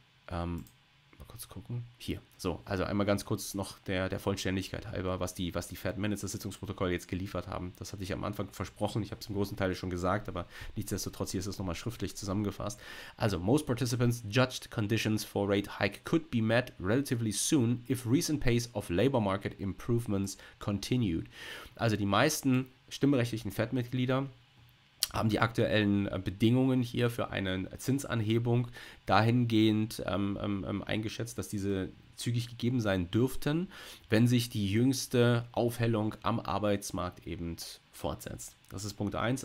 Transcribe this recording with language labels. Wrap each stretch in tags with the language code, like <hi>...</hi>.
<de>Mal kurz gucken. Hier. So, also einmal ganz kurz noch der Vollständigkeit halber, was die Fed Minutes, das Sitzungsprotokoll jetzt geliefert haben. Das hatte ich am Anfang versprochen. Ich habe es im großen Teil schon gesagt, aber nichtsdestotrotz, hier ist es nochmal schriftlich zusammengefasst.</de> <en>Also, most participants judged conditions for rate hike could be met relatively soon if recent pace of labor market improvements continued.</en> <de>Also, die meisten stimmberechtigten FED-Mitglieder haben die aktuellen Bedingungen hier für eine Zinsanhebung dahingehend eingeschätzt, dass diese zügig gegeben sein dürften, wenn sich die jüngste Aufhellung am Arbeitsmarkt eben fortsetzt. Das ist Punkt 1.</de>